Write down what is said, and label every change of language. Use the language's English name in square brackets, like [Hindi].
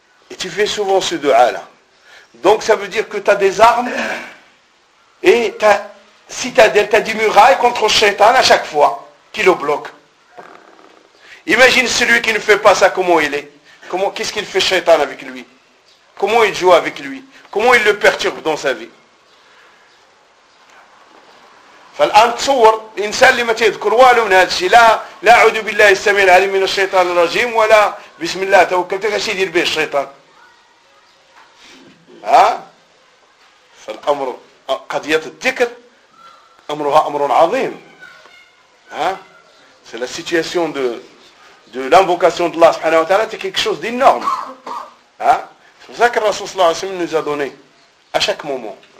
[French] Et tu fais souvent ce du'a là. Donc, ça veut dire que tu as des armes et ta citadelle, tu as des murailles contre le shaytan à chaque fois qui le bloque. Imagine celui qui ne fait pas ça, comment il est? Comment, qu'est-ce qu'il fait Shaitan avec lui? Comment il joue avec lui? Comment il le perturbe dans sa vie? [Arabic] فالان تصور الانسان اللي ما تيذكر والو من هذا الشيء لا لا اعوذ بالله السميع العليم من الشيطان الرجيم ولا بسم الله توكلت اش يدير به الشيطان ها فالامر قضية الذكر امرها امر عظيم ها [French] سي لا سيتياسيون de l'invocation de Allah subhanahu wa ta'ala, c'est quelque chose d'énorme. Hein? C'est pour ça que le Rasoul sallallahu alayhi wa sallam nous a donné à chaque moment.